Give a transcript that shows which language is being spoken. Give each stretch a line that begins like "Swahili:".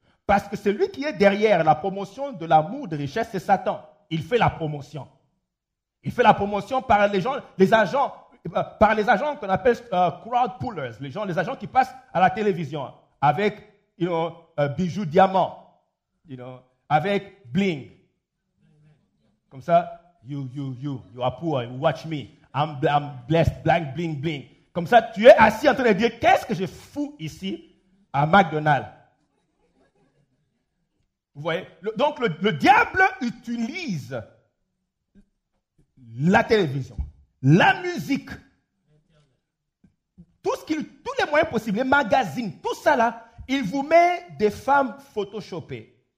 French: Parce que celui qui est derrière la promotion de l'amour, des richesses, c'est Satan. Il fait la promotion. Il fait la promotion par les gens, les agents, par les agents qu'on appelle crowd pullers, les agents qui passent à la télévision avec... bijoux diamants, avec bling. Comme ça,
English: you are poor, watch me, I'm blessed, bling.
French: Comme ça, tu es assis en train de dire, qu'est-ce que je fous ici à McDonald's? Vous voyez? Donc, le diable utilise la télévision, la musique, tous les moyens possibles, les magazines, tout ça là, il vous met des femmes photoshopées.